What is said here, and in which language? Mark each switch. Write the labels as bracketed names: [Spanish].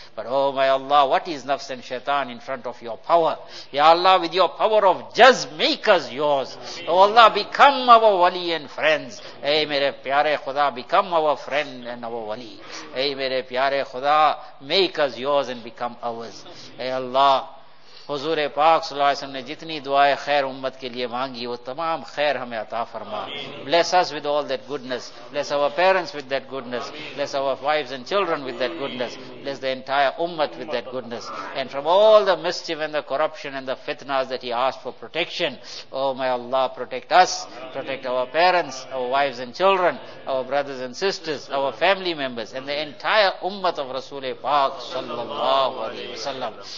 [English] But oh my Allah, what is nafs and shaitan in front of your power? Ya Allah, with your power of jazz, make us yours. Oh Allah, become our wali and friends. Hey, [Urdu] mere pyare khuda, [English] become our friend and our wali. Hey, [Urdu] mere pyare khuda, [English] make us yours and become ours. [Urdu] Hey Allah, حضور پاک صلی اللہ علیہ وسلم نے جتنی دعائیں خیر امت کے لیے مانگی وہ تمام خیر ہمیں عطا فرما. [English] Bless us with all that goodness. Bless our parents with that goodness. Bless our wives and children with that goodness. Bless the entire ummat with that goodness. And from all the mischief and the corruption and the fitnas that he asked for protection, oh my Allah, protect us, protect our parents, our wives and children, our brothers and sisters, our family members, and the entire ummat of Rasul Pak sallallahu alaihi wasallam.